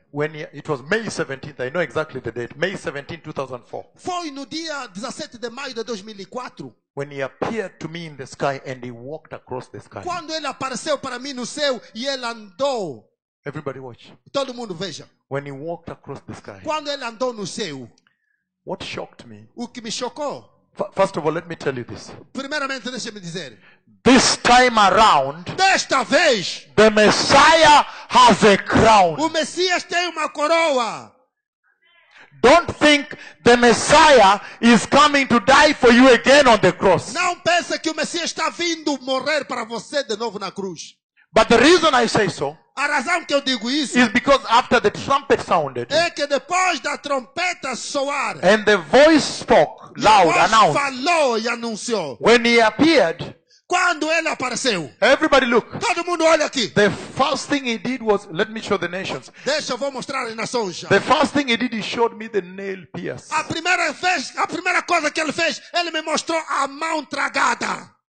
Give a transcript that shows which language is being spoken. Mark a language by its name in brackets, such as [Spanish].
[English] when it was May 17th, I know exactly the date, May 17th, 2004. [Portuguese] Foi no dia 17 de maio de 2004. [English] When he appeared to me in the sky and he walked across the sky. [Portuguese] Quando ele apareceu para mim no céu e ele andou. [English] Everybody watch. [Portuguese] Todo mundo veja. [English] When he walked across the sky. [Portuguese] Quando ele andou no céu. [English] What shocked me? [Portuguese] O que me chocou? [English] First of all, let me tell you this. [Portuguese] Primeiramente, deixa-me dizer. [English] This time around, [Portuguese] desta vez, [English] the Messiah has a crown. [Portuguese] O Messias tem uma coroa. [English] Don't think the Messiah is coming to die for you again on the cross. [Portuguese] Não pense que o Messias está vindo morrer para você de novo na cruz. [English] But the reason I say so, [Portuguese] a razão que eu digo isso, [English] is because after the trumpet sounded, [Portuguese] é que depois da trompeta soar, [English] and the voice spoke loud, announced, [Portuguese] falou e anunciou, [English] when he appeared, [Portuguese] quando ele apareceu, [English] everybody look, [Portuguese] todo mundo olha aqui, [English] the first thing he did was, let me show the nations, [Portuguese] deixa eu vou mostrar as nações já, [English] the first thing he did, he showed me the nail pierce, [Portuguese] a primeira coisa que ele fez, ele me mostrou a mão tragada.